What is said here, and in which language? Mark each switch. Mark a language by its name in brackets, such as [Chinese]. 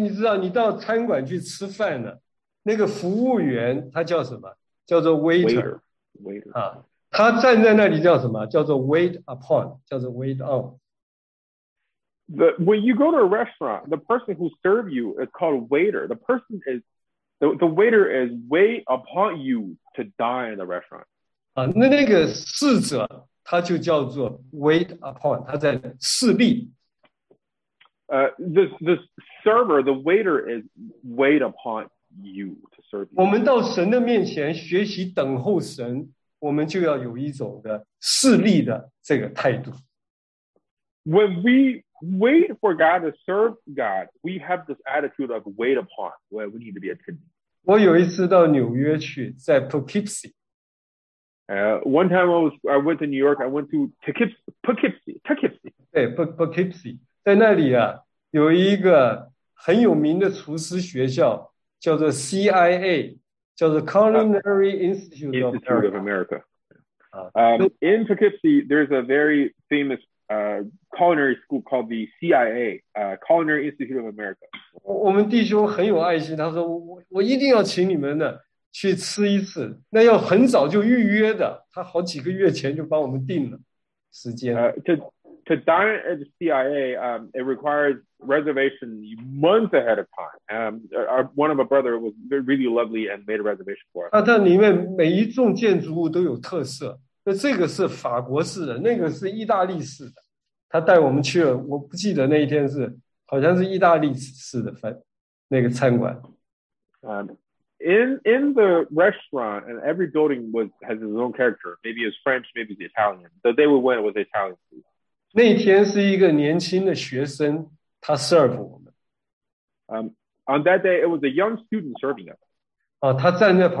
[Chinese] 你知道你到餐馆去吃饭了，那个服务员他叫什么？叫做 waiter. 他站在那里叫什么？叫做 [English] wait upon， [Chinese] 叫做 [English] wait on。 When you go to a restaurant, the person who serves you is called waiter. The person is the waiter is wait upon you to dine in the restaurant. [Chinese] 那个侍者他就叫做 [English] wait upon， [Chinese] 他在侍立。 [English] The server, the waiter is wait upon you to serve you. [Chinese] 我们到神的面前学习等候神，我们就要有一种的侍立的这个态度。 [English] When we wait for God to serve God, we have this attitude of wait upon, where we need to be attending. [Chinese] 我有一次到纽约去，在 Poughkeepsie。 [English] One time I went to New York, I went to Poughkeepsie. [Chinese] 对 ,Poughkeepsie. 在那里啊，有一个很有名的厨师学校，叫做 CIA, 叫做 Culinary Institute of America. [English] Institute of America. In Poughkeepsie, there's a very famous culinary school called the CIA, Culinary Institute of America. [Chinese] 我们弟兄很有爱心，他说我一定要请你们的。去吃一次，那要很早就预约的。他好几个月前就帮我们定了时间。 [English] To to dine at the CIA, it requires reservation months ahead of time. One of my brother was really lovely and made a reservation for us. [Chinese] 它里面每一栋建筑物都有特色，那这个是法国式的，那个是意大利式的。他带我们去了，我不记得那一天是，好像是意大利式的那个餐馆。 [English] In the restaurant, and every building was has its own character. Maybe it's French, maybe it's Italian. So they would went with Italian food. [Chinese] 那天是一个年轻的学生，他 serve 我们。 [English] On that day, it was a young student serving us.